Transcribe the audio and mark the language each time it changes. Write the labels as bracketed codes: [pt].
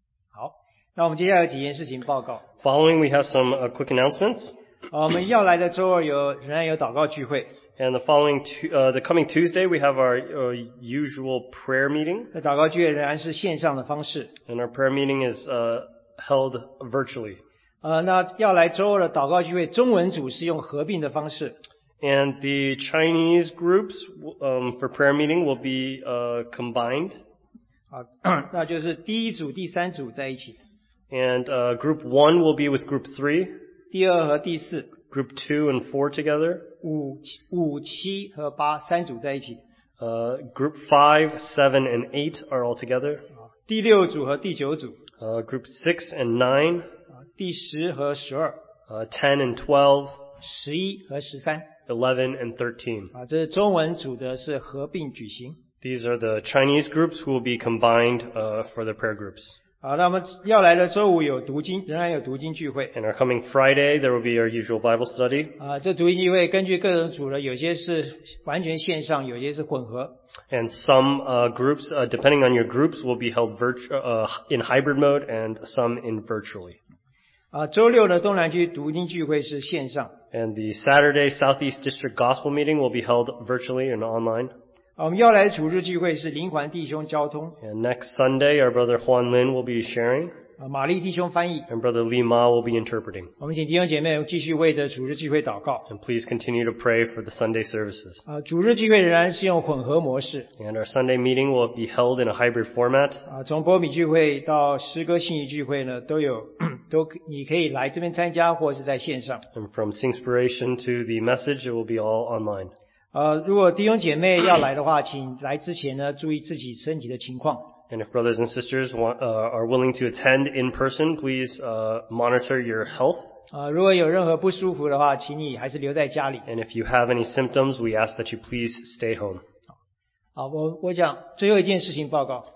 [zh] 好，那我们接下来有几件事情报告。 [en] Following, we have some quick announcements. [zh] 我们要来的周二有仍然有祷告聚会。 [en] And the coming Tuesday, we have our usual prayer meeting. [zh] 祷告聚会仍然是线上的方式。 [en] And our prayer meeting is held virtually. [zh] 那要来周二的祷告聚会，中文组是用合并的方式。 [en] And the Chinese groups for prayer meeting will be combined. [zh] 那就是第一组、第三组在一起。 [en] And group one will be with group three. [zh] 第二和第四。 [en] Group two and four together. [zh] 5, 7, 8, 三组在一起。 [en] Group 5, 7, and 8 are all together. [zh] 第六组和第九组。 [en] Group 6 and 9. [zh] 第十和十二。 [en] 10 and 12. [zh] 11和13. [en] 11 and 13. [zh] 这是中文组的是合并举行。 [en] These are the Chinese groups who will be combined, for the prayer groups. [zh] 那我们要来的周五有读经，仍然有读经聚会。 [en] And our coming Friday, there will be our usual Bible study. [zh] 这读经聚会根据各种组的，有些是完全线上，有些是混合。 [en] And some groups, depending on your groups, will be held in hybrid mode and some in virtually. [zh] 周六的东南区读经聚会是线上。 [en] And the Saturday Southeast District Gospel meeting will be held virtually and online. [zh] 我们要来主日聚会是林环弟兄交通。 [en] And next Sunday, our brother Juan Lin will be sharing. [zh] 玛丽弟兄翻译。 [en] And brother Li Ma will be interpreting. [zh] 我们请弟兄姐妹继续为着主日聚会祷告。 [en] And please continue to pray for the Sunday services. [zh] 主日聚会仍然是用混合模式。 [en] And our Sunday meeting will be held in a hybrid format. [zh] 从波米聚会到诗歌信息聚会呢，都有都你可以来这边参加，或是在线上。 [en] And from Singspiration to the message, it will be all online. [zh] 如果弟兄姐妹要来的话，请来之前呢注意自己身体的情况。 [en] And if brothers and sisters are willing to attend in person, please monitor your health. [zh] 如果有任何不舒服的话，请你还是留在家里。 [en] And if you have any symptoms, we ask that you please stay home. [zh] 好，我讲最后一件事情报告。